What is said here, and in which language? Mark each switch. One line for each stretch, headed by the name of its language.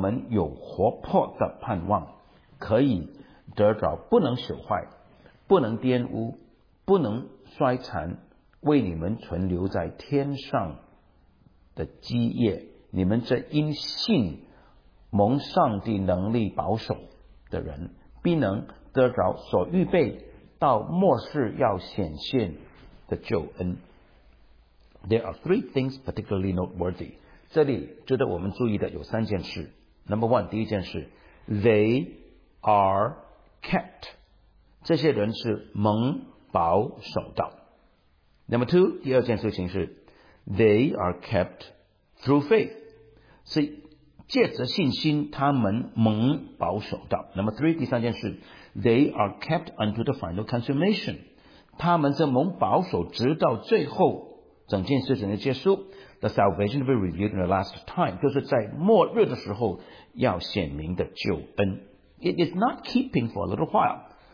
Chinese: 有活泼的盼望，可以得着不能朽坏，不能玷污，不能衰残，为你们存留在天上的基业，你们这因信蒙上帝能力保守的人，必能得着所预备到末世要显现的救恩。
English: There are three things particularly noteworthy.
Chinese: 这里值得我们注意的有三件事。
English: Number one,
Chinese: 第一件事，
English: They are kept.
Chinese: 这些人是蒙保守的。
English: Number two,
Chinese: 第二件事情是，
English: They are kept through faith.
Chinese: 是借着信心他们蒙保守的。
English: Number three,
Chinese: 第三件事，
English: They are kept unto the final consummation.
Chinese: 他们是蒙保守直到最后整件事情的结束。
English: The salvation will be revealed in the last time.
Chinese: 就是在末日的时候要显明的救恩。
English: It is not keeping for a little while.